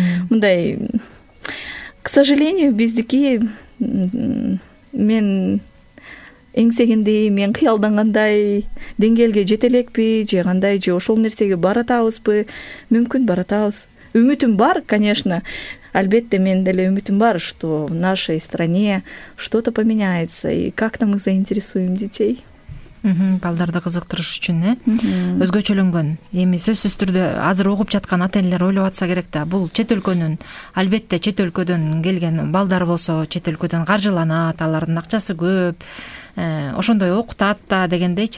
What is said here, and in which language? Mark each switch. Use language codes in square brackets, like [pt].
[ky] Мындай, [ru] к сожалению, [ky] біздеки мен... эңсегенде мен кыялдангандай деңгээлге жете элекпи же кандай же ошол нерсеге баратабызбы? Мүмкүн баратабыз. Үмүтүм бар, конечно. Албетте мен деле үмүтүм бар, [ru] что в нашей стране что-то поменяется и как-то мы заинтересуем детей. [ky] Балдарды кызыктырыш үчүн өзгөчөлөнгөн эми сөзсүз түрдө азыр угуп жаткан ата-энелер ойлоп атса керек да, бул чет өлкөнүн, албетте чет өлкөдөн келген балдар болсо чет өлкөдөн каржыланат, алардын акчасы көп, ошондой окутат да дегендейчи.